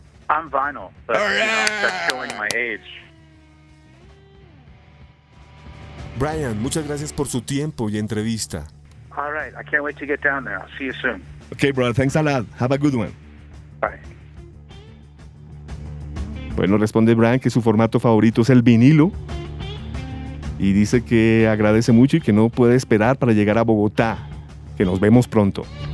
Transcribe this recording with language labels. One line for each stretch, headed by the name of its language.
English: I'm vinyl, but you know, that's showing my age.
Spanish: Brian, muchas gracias por su tiempo y entrevista.
English: All right, I can't wait to get down there. I'll see you soon. Okay, brother, thanks a lot. Have a good one. Bye.
Spanish: Bueno, responde Brian que su formato favorito es el vinilo y dice que agradece mucho y que no puede esperar para llegar a Bogotá. Que nos vemos pronto.